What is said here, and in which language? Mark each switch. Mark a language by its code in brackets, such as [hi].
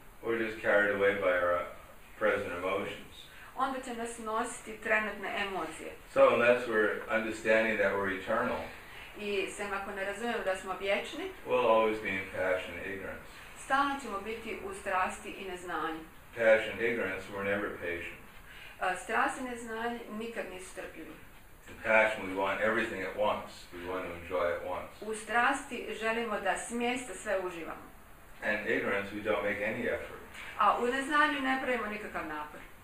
[en] we're just carried away by our present emotions. [hr] Onda će nas nositi trenutne emocije. [en] So unless we're understanding that we're eternal, [hr] i sem ako ne razumijemo da smo vječni, [en] we'll always be in passion and ignorance. [hr] Stalno ćemo biti u strasti i neznanju. [en] Passion and ignorance, we're never patient. [hr] Strast i neznanje nikad nisu strpljivi. [en] passion, we want everything at once. We want to enjoy at once. [hr] U strasti želimo da smjesta sve uživamo. [en] And ignorance, we don't make any effort. [hr] A u neznanju ne pravimo nikakav napor.